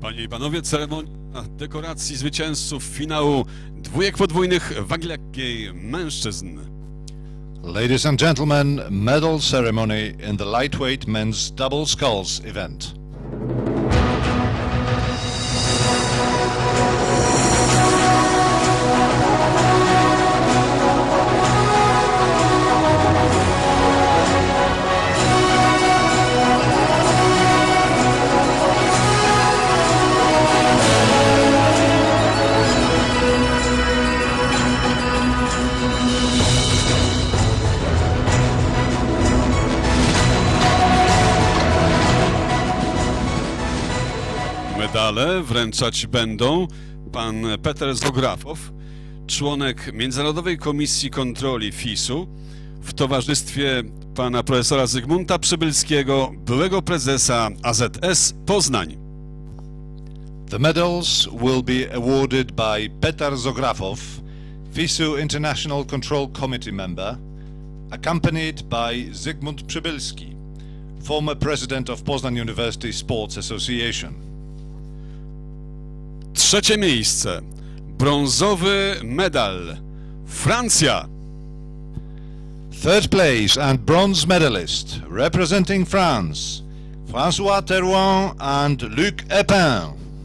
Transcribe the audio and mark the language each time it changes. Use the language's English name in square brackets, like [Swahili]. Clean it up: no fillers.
[Polish] Panowie, ceremonia dekoracji zwycięzców finału dwójek podwójnych wagi lekkiej mężczyzn. [English] Ladies and gentlemen, medal ceremony in the lightweight men's double sculls event. [Polish] Medale wręczać będą pan Peter Zografow, członek Międzynarodowej Komisji Kontroli FISU, w towarzystwie pana profesora Zygmunta Przybylskiego, byłego prezesa AZS Poznań. [English] The medals will be awarded by Peter Zografow, FISU International Control Committee member, accompanied by Zygmunt Przybylski, former president of Poznań University Sports Association. [Polish] Trzecie miejsce, brązowy medal, Francja. [English] Third place and bronze medalist, representing France, François Terouin and Luc Epin.